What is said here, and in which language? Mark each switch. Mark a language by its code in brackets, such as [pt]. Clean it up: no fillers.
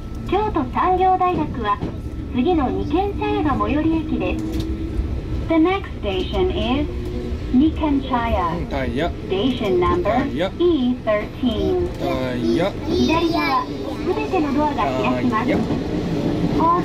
[ja] 京都産業大学は次の二軒茶屋が最寄り駅です。 [en] The next station is 二軒茶屋。 Station number E13。 [ja] 左側、すべてのドアが開きます。